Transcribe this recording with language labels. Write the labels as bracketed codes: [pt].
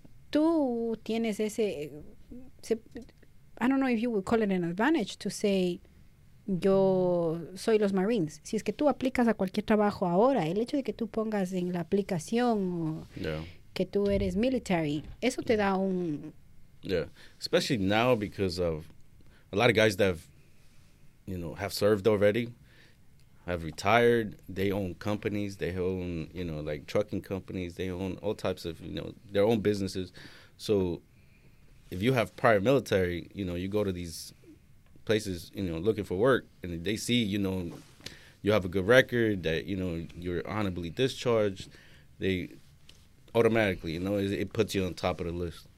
[es] Tú tienes ese, [en] I don't know if you would call it an advantage to say, [es] yo soy los Marines. Si es que tú aplicas a cualquier trabajo ahora, el hecho de que tú pongas en la aplicación que tú eres military, eso te da un... [en] Yeah, especially now because of a lot of guys that have served already, have retired, they own companies, they own, you know, like trucking companies, they own all types of, you know, their own businesses. So if you have prior military, you know, you go to these places, you know, looking for work, and they see, you know, you have a good record, that, you know, you're honorably discharged, they automatically, you know, it puts you on top of the list.